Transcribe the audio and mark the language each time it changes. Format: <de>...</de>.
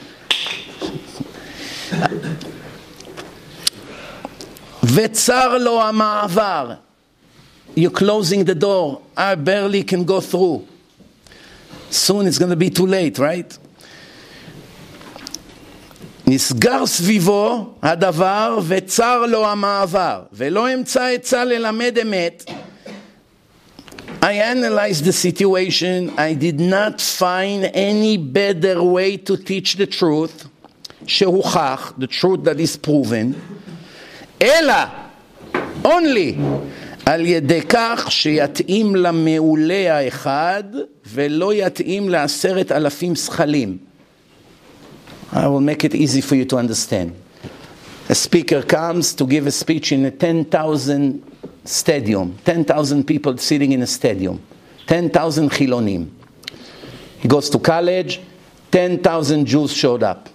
<he>Vetzar lo ha-ma'avar.</he> <en>You're closing the door. I barely can go through. Soon it's going to be too late, right?</en> <he>נסגר סביבו הדבר וצר לו המעבר ולא אמצא עצה ללמד אמת.</he> <en>I analyzed the situation. I did not find any better way to teach the truth</en> <he>שהוכח,</he> <en>the truth that is proven,</en> <he>אלא</he> <en>only</en> <he>על ידי כך שיתאים למעולה האחד ולא יתאים לעשרת אלפים שחלים.</he> <en>I will make it easy for you to understand. A speaker comes to give a speech in a 10,000 stadium. 10,000 people sitting in a stadium. 10,000 chilonim. He goes to college. 10,000 Jews showed up.</en>